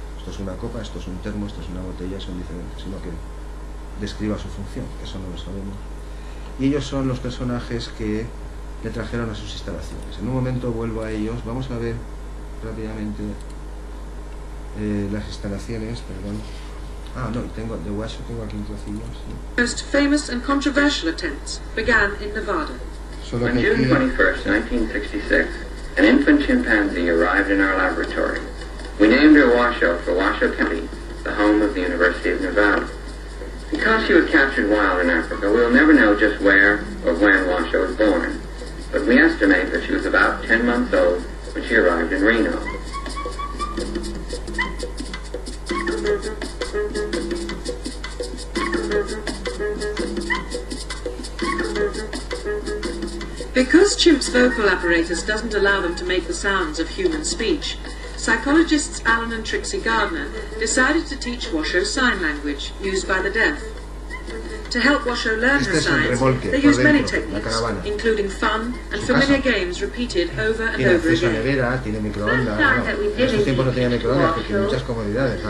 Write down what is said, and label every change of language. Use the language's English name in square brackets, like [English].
[Spanish] Esto es una copa, esto es un termo, esto es una botella, son diferentes, sino que describa su función, eso no lo sabemos. Y ellos son los personajes que le trajeron a sus instalaciones. En un momento vuelvo a ellos, vamos a ver rápidamente las instalaciones, perdón. Ah, no, tengo de Washo, tengo aquí un trocillo, sí. [English] Most famous and controversial attempts began in Nevada. [Spanish] Solo [English] on June 21st, 1966, an infant chimpanzee arrived in our laboratory. We named her Washo for Washo County, the home of the University of Nevada. Because she was captured wild in Africa, we'll never know just where or when Washoe was born. But we estimate that she was about 10 months old when she arrived in Reno. Because chimps' vocal apparatus doesn't allow them to make the sounds of human speech, psychologists Alan and Trixie Gardner decided to teach Washoe sign language, used by the deaf. To help Washoe learn her signs, they used many techniques, including fun and familiar games repeated over and over again. [Spanish] Tiene acceso a nevera, tiene microondas. En esos tiempos no tenía microondas, porque tenía muchas comodidades.